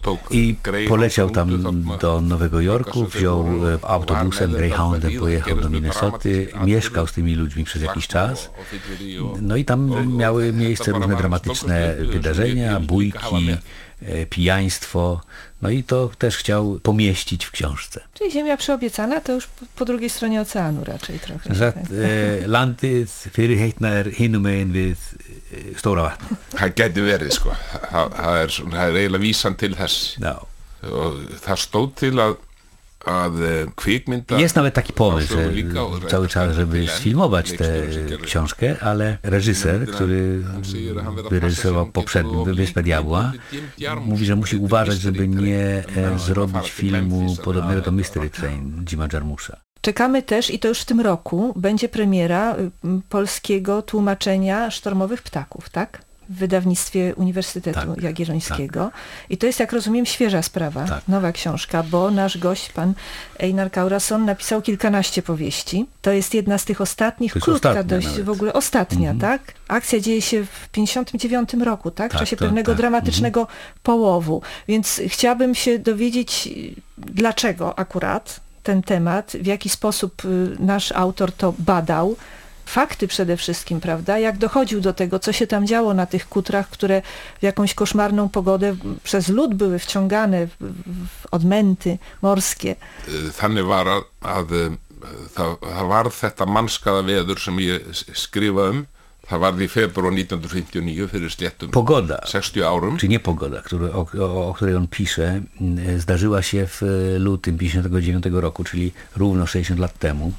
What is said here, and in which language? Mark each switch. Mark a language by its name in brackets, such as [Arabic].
[Polish] I poleciał tam do Nowego Jorku, wziął autobusem, Greyhoundem, pojechał do Minnesoty, mieszkał z tymi ludźmi przez jakiś czas. No i tam miały miejsce różne dramatyczne wydarzenia, bójki, pijaństwo. No i to też chciał pomieścić w książce. Czyli Ziemia przyobiecana to już po drugiej stronie oceanu raczej trochę. [Icelandic] Landið fyrir heitna hinumegin við Stóra vatn. Það gæti verið, sko. Það er eiginlega vísan til þess. Já. Og það stóð til að kvikmynda... [Polish] Jest nawet taki pomysł, cały czas, żeby sfilmować tę książkę, ale reżyser, który wyreżyserował poprzednią Wyspę Diabła, mówi, że musi uważać, żeby nie zrobić filmu podobnego do Mystery Train Jima Jarmusza. Czekamy też, i to już w tym roku, będzie premiera polskiego tłumaczenia Sztormowych Ptaków, tak? W wydawnictwie Uniwersytetu Jagiellońskiego. Tak. I to jest, jak rozumiem, świeża sprawa, nowa książka, bo nasz gość, pan Einar Kaurason, napisał kilkanaście powieści. To jest jedna z tych ostatnich, ostatnia, tak? Akcja dzieje się w 59 roku, tak? W czasie pewnego dramatycznego połowu. Więc chciałabym się dowiedzieć, dlaczego akurat ten temat, w jaki sposób nasz autor to badał, fakty przede wszystkim, prawda, jak dochodził do tego, co się tam działo na tych kutrach, które w jakąś koszmarną pogodę przez lód były wciągane w odmęty morskie. [Icelandic] Þannig var að það var þetta mannskaða veður sem ég skrifa Það var í februar 1959 fyrir sléttum 60 árum. [Polish] Czy nie pogoda, o której on pisze, zdarzyła się w lutym 59 roku, czyli równo 60 lat temu.